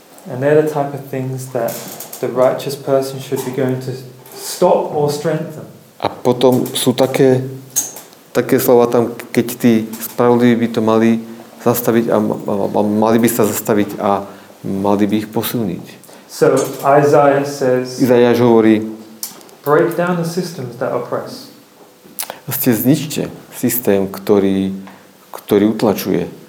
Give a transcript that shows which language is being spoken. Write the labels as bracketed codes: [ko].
[en] And they're the type of things that the righteous person should be going to stop or strengthen. [sk] A potom sú také slova tam, keď tí spravodliví by to mali zastaviť a mali by sa zastaviť a mali by ich posilniť. [en] So Isaiah says, [sk] Izaiáš hovorí, [en] break down the systems that oppress. [sk] Vlastne zničte systém, ktorý utlačuje.